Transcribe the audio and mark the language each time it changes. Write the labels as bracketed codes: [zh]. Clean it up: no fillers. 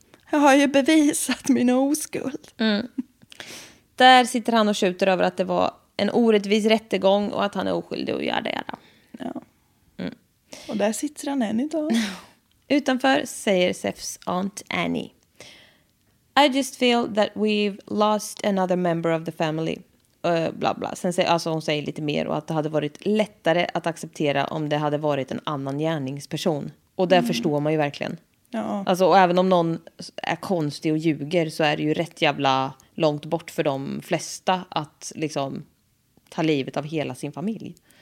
[sv] Jag har ju bevisat min oskuld. Mm. Där sitter han och tjuter över att det var en orättvis rättegång och att han är oskyldig och gör det. Ja. Och där sitter han än idag. Utanför säger Seths aunt Annie. [en] I just feel that we've lost another member of the family. [sv] Bla bla. Sen säger, alltså hon säger lite mer, och att det hade varit lättare att acceptera om det hade varit en annan gärningsperson. Och det förstår man ju verkligen. Ja. Alltså, och även om någon är konstig och ljuger, så är det ju rätt jävla långt bort för de flesta att liksom ta livet av hela sin familj.